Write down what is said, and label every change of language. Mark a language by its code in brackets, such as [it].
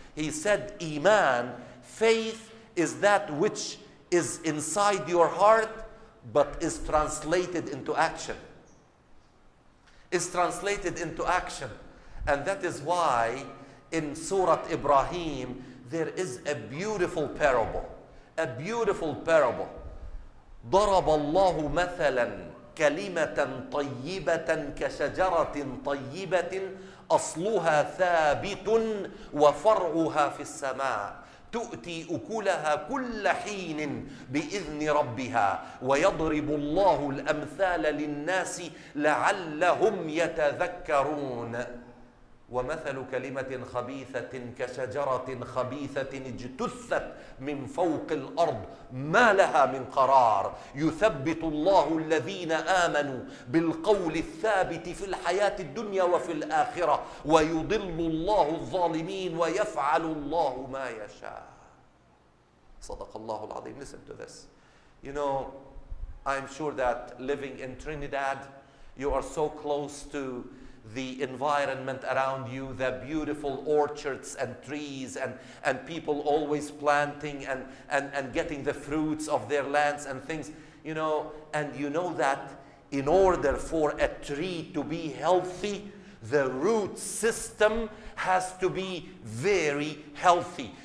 [en] He said, Iman, faith, is that which is inside your heart, but is translated into action. Is translated into action. And that is why in Surah Ibrahim, there is a beautiful parable. A beautiful parable. [ar] ضَرَبَ اللَّهُ مَثَلًا كَلِمَةً طَيِّبَةً كَشَجَرَةٍ طَيِّبَةٍ أَصْلُهَا ثَابِتٌ وَفَرْعُهَا فِي السَّمَاءِ تؤتي أكلها كل حين بإذن ربها ويضرب الله الأمثال للناس لعلهم يتذكرون ومثل كلمة خبيثة كشجرة خبيثة اجتثت من فوق الأرض ما لها من قرار يثبت الله الذين آمنوا بالقول الثابت في الحياة الدنيا وفي الآخرة ويضل الله الظالمين ويفعل الله ما يشاء. Sadaqallahu al-Azim. [en] Listen to this. You know, I'm sure that living in Trinidad, you are so close to the environment around you, the beautiful orchards and trees and people always planting and getting the fruits of their lands and things, you know, and you know that in order for a tree to be healthy, the root system has to be very healthy.